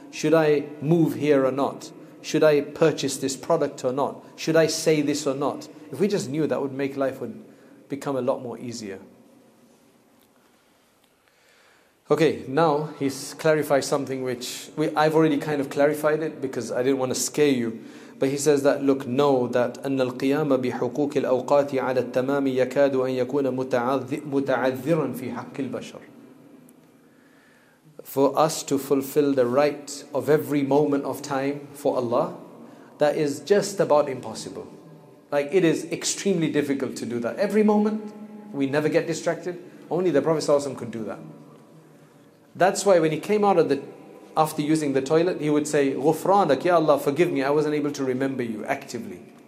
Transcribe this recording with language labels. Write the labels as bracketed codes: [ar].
[en] Should I move here or not? Should I purchase this product or not? Should I say this or not? If we just knew, that would make life would become a lot more easier. Okay, now he's clarified something which I've already kind of clarified it because I didn't want to scare you. But he says that, look, know that [ar] أن القيام بحقوق الأوقات على التمام يكاد أن يكون متعذرا في حق البشر. [en] For us to fulfill the right of every moment of time for Allah, that is just about impossible. Like, it is extremely difficult to do that. Every moment, we never get distracted. Only the Prophet ﷺ could do that. That's why when he came out of after using the toilet, he would say, "Ghufranak, Ya Allah, forgive me, I wasn't able to remember you actively."